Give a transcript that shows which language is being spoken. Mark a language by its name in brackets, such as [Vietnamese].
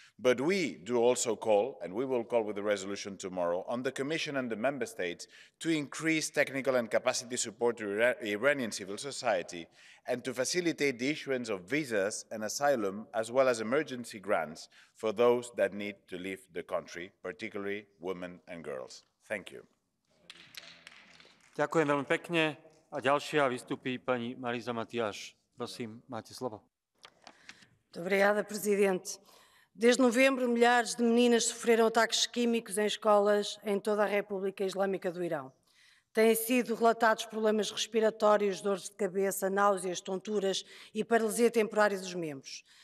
[English] But we do also call, and we will call with the resolution tomorrow, on the Commission and the Member States to increase technical and capacity support to Iranian civil society and to facilitate the issuance of visas and asylum, as well as emergency grants for those that need to leave the country, particularly women and girls. Thank you. [Slovak] Ďakujem veľmi pekne. A ďalšia vystupí pani Mariza Matiáš. Prosím, máte slovo. [Portuguese] Obrigada, presidente. Desde novembro, milhares de meninas sofreram ataques químicos em escolas em toda a República Islâmica do Irão. Têm sido relatados problemas respiratórios, dores de cabeça, náuseas, tonturas e paralisia temporária dos membros.